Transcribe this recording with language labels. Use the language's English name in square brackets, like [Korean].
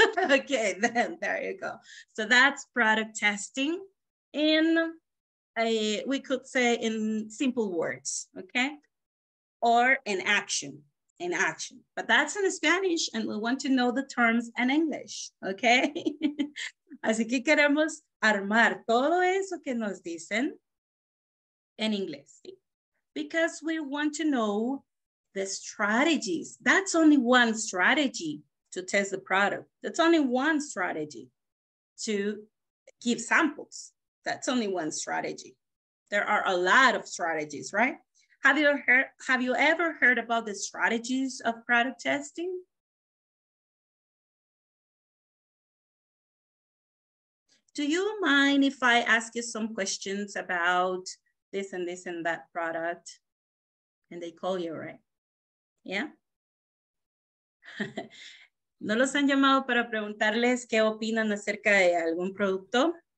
[English] Okay, then there you go. So that's product testing. And we could say in simple words, okay? Or an action, in action. But that's in Spanish and we want to know the terms in English, okay? [Spanish] Así que queremos armar todo eso que nos dicen en inglés, ¿sí? [English] Because we want to know the strategies. That's only one strategy to test the product. That's only one strategy to give samples. That's only one strategy. There are a lot of strategies, right? Have you ever heard about the strategies of product testing? Do you mind if I ask you some questions about this and this and that product? And they call you, right? Yeah? [Spanish] ¿No los han llamado para preguntarles qué opinan acerca de algún producto?